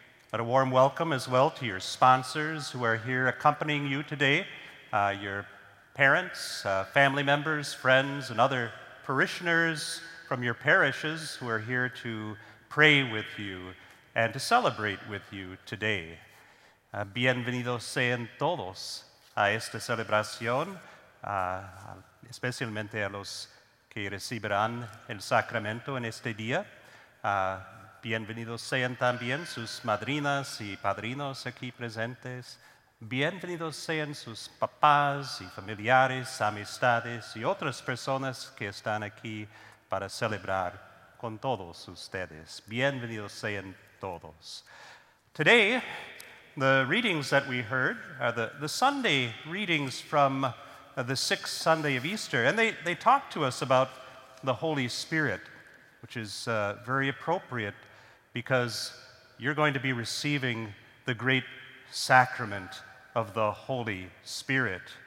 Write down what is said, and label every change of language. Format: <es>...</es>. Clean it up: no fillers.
<en>But a warm welcome as well to your sponsors who are here accompanying you today, your parents, family members, friends, and other parishioners from your parishes who are here to pray with you and to celebrate with you today.</en> <es>Bienvenidos sean todos a esta celebración, especialmente a los que recibirán el sacramento en este día. Bienvenidos sean también sus madrinas y padrinos aquí presentes. Bienvenidos sean sus papás y familiares, amistades y otras personas que están aquí para celebrar con todos ustedes. Bienvenidos sean todos.</es> <en>Today, the readings that we heard are the Sunday readings from the sixth Sunday of Easter, and they talk to us about the Holy Spirit, which is very appropriate because you're going to be receiving the great sacrament of the Holy Spirit.</en>